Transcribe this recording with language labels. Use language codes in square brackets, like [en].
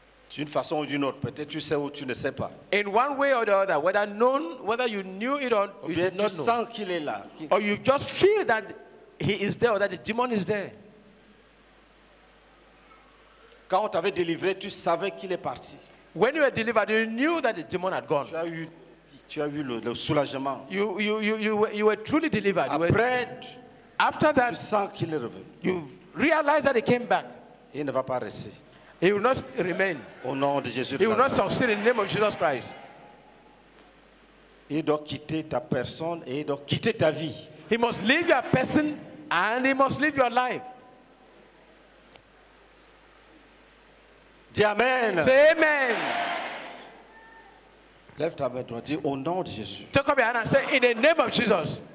[fr] d'une façon ou d'une autre, peut-être tu sais ou tu ne sais pas. [en] In one way or the other, whether known, whether you knew it or you did not know. [fr] Tu sens qu'il est là. [en] Or you just feel that he is there or that the demon is there. [fr] Quand on t'avait délivré, tu savais qu'il est parti. [en] When you were delivered, you knew that the demon had gone. [fr] Tu as eu le soulagement. [en] You were truly delivered. After that, [fr] tu sens qu'il est revenu. [en] You realize that he came back. [fr] Il ne va pas rester. [en] He will not remain. [fr] Au nom de Jésus. [en] He will not succeed in the name of Jesus Christ. [fr] Il doit quitter ta personne et il doit quitter ta vie. [en] He must leave your person and he must leave your life. [fr] Dis amen. [en] Say amen. [fr] Lève ta main droite, dis au nom de Jésus. [en] Take up your hand and say in the name of Jesus.